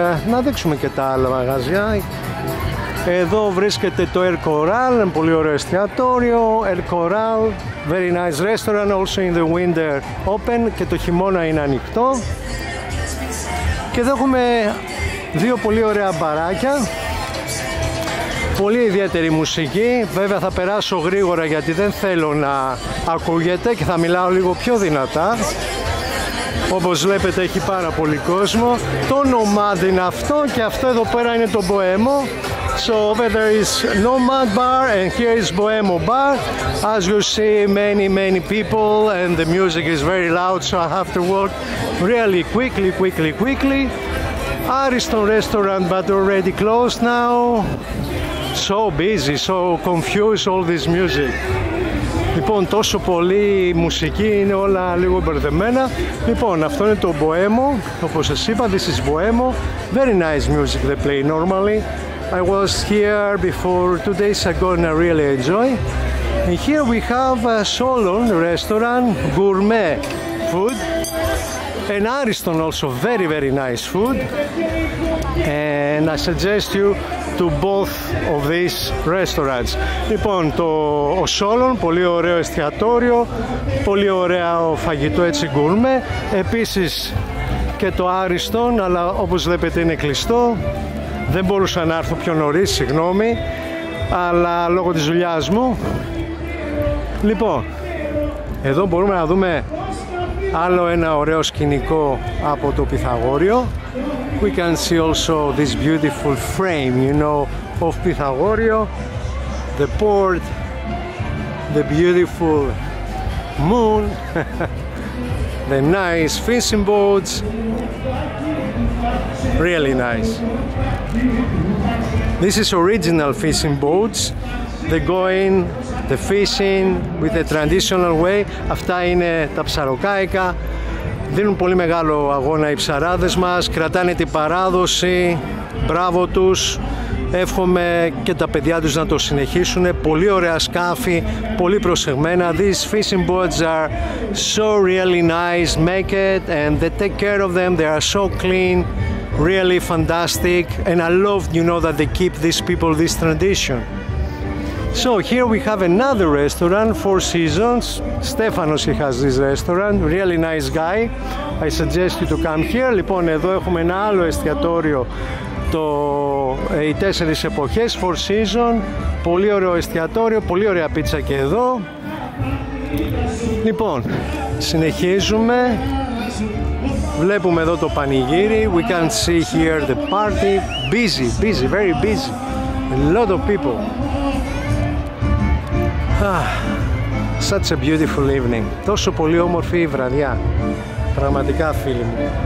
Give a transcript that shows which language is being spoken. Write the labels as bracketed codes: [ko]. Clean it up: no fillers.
[el] Να δείξουμε και τα άλλα μαγαζιά. Εδώ βρίσκεται το El Corral, ένα πολύ ωραίο εστιατόριο. [en] El Corral, very nice restaurant, also in the winter open, [el] και το χειμώνα είναι ανοιχτό. Και εδώ έχουμε δύο πολύ ωραία μπαράκια. Πολύ ιδιαίτερη μουσική. Βέβαια θα περάσω γρήγορα γιατί δεν θέλω να ακούγεται και θα μιλάω λίγο πιο δυνατά. Όπως βλέπετε έχει πάρα πολύ κόσμο. Το Nomad είναι αυτό και αυτό εδώ πέρα είναι το Bohemo. [en] So over there is Nomad bar and here is Bohemo bar. As you see, many, many people and the music is very loud, so I have to walk really quickly, quickly, quickly. Ariston restaurant, but already closed now. So busy, so confused all this music. [el] Λοιπόν, τόσο πολύ μουσική, είναι όλα λίγο μπερδεμένα. Λοιπόν, αυτό είναι το Bohemo, όπως σας είπα, [en] this is Bohemo. Very nice music they play normally. I was here before 2 days ago and I really enjoy. And here we have a Solon restaurant, gourmet food. And Ariston also, very, very nice food. And I suggest you to both of these restaurants. [el] Λοιπόν, ο Solon, πολύ ωραίο εστιατόριο, πολύ ωραίο φαγητό, έτσι gourmet. Επίσης και το Ariston, αλλά όπως βλέπετε είναι κλειστό. Δεν μπορούσα να έρθω πιο νωρίς, συγγνώμη, αλλά λόγω της δουλειάς μου. Λοιπόν, εδώ μπορούμε να δούμε άλλο ένα ωραίο σκηνικό από το Πυθαγόριο. [en] We can see also this beautiful frame, you know, of Πυθαγόριο. The port, the beautiful moon, the nice fishing boats. Really nice. This is original fishing boats. They go in, the fishing with the traditional way. [el] Αυτά είναι τα ψαροκάικα. Δίνουν πολύ μεγάλο αγώνα οι ψαράδες μας. Κρατάνε την παράδοση. Μπράβο τους. Εύχομαι και τα παιδιά τους να το συνεχίσουν. Πολύ ωραία σκάφη, πολύ προσεγμένα. [en] These fishing boats are so really nice, make it and they take care of them. They are so clean, really fantastic. And I love, you know, that they keep these people this tradition. So here we have another restaurant, Four Seasons. Stefanos has this restaurant, really nice guy. I suggest you to come here. [el] Λοιπόν, εδώ έχουμε ένα άλλο εστιατόριο, το οι τέσσερις εποχές, Four Seasons. Πολύ ωραίο εστιατόριο, πολύ ωραία πίτσα και εδώ. Λοιπόν, συνεχίζουμε. Βλέπουμε εδώ το πανηγύρι. [en] We can see here the party. Busy, busy, very busy. A lot of people. Ah, such a beautiful evening. [el] Τόσο πολύ όμορφη η βραδιά. Πραγματικά, φίλοι μου.